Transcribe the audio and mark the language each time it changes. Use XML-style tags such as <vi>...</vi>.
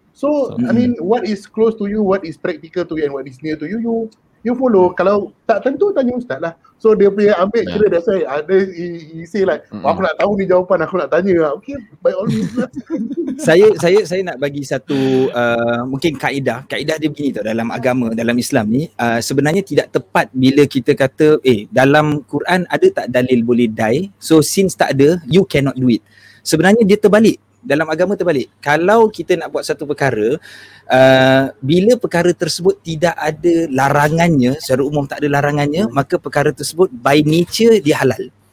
<en>So I mean, what is close to you, what is practical to you and what is near to you, you follow.</en> <ms>Kalau tak tentu, tanya Ustaz lah.</ms> <en>So</en> <ms>dia punya ambil kira dah saya. Ada isi lah. Aku nak tahu ni jawapan, aku nak tanya.</ms> <en>Okay, by all means.</en> <ms>saya nak bagi satu mungkin kaedah. Kaedah dia begini tau, dalam agama, dalam Islam ni. Sebenarnya tidak tepat bila kita kata, dalam Quran ada tak dalil boleh die?</ms> <en>So since</en> <ms>tak ada,</ms> <en>you cannot do it.</en> <ms>Sebenarnya dia terbalik. Dalam agama terbalik. Kalau kita nak buat satu perkara, bila perkara tersebut tidak ada larangannya, secara umum tak ada larangannya, maka perkara tersebut</ms> <en>by nature</en> <ms>dia halal.</ms>